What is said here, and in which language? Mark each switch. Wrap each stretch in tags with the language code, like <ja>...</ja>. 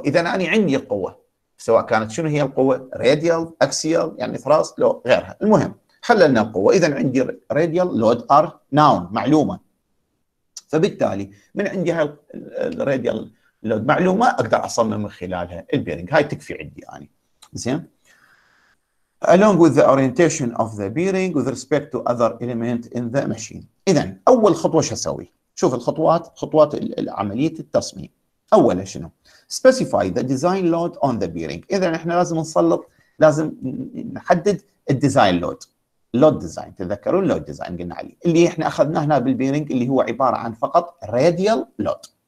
<ar>اذا انا عندي القوه سواء كانت شنو هي القوه؟ راديال اكسيال يعني ثراست لو غيرها، المهم حللنا القوه. اذا عندي راديال لود ار ناون معلومه، فبالتالي من عندي هاي الراديال المعلومه اقدر اصمم من خلالها البيرنج، هاي تكفي عندي يعني.</ar> <en>زين، along with the orientation of the bearing with respect to other element in the machine.</en> <ar>اذا اول خطوه شو اسوي؟ شوف الخطوات، خطوات عمليه التصميم. اولا شنو؟</ar> <en>specify the design load on the bearing.</en> <ar>اذا احنا لازم نسلط، لازم نحدد الديزاين لود، لود ديزاين، تذكرون لود ديزاين قلنا عليه اللي احنا اخذناه هنا بالبيرنج اللي هو عباره عن فقط راديال لود.</ar>